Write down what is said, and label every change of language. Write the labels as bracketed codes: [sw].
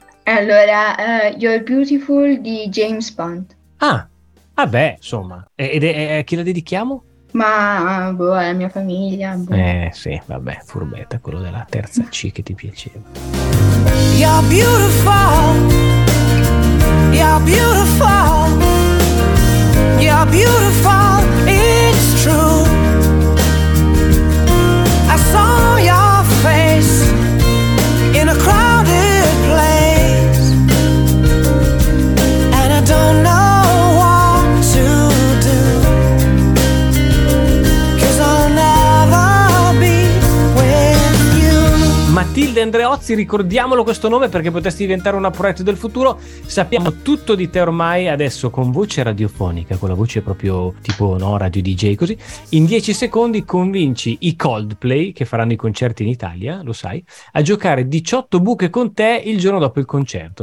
[it] Allora, You're Beautiful di James Bond. Ah, vabbè, insomma. Ed è chi la dedichiamo? Ma, la mia famiglia. Sì, vabbè, furbetta, quello della terza C che ti piaceva. [en] You're beautiful. You're beautiful, you're beautiful, it's true. I saw your face in a crowded place, and I don't know what to do, 'cause I'll never be with you. [it] Matilde Andreozzi, ricordiamolo questo nome perché potresti diventare una proiettile del futuro. Sappiamo tutto di te ormai, adesso con voce radiofonica, con la voce proprio tipo, no, radio DJ, così in 10 secondi convinci i Coldplay, che faranno i concerti in Italia, lo sai, a giocare 18 buche con te il giorno dopo il concerto.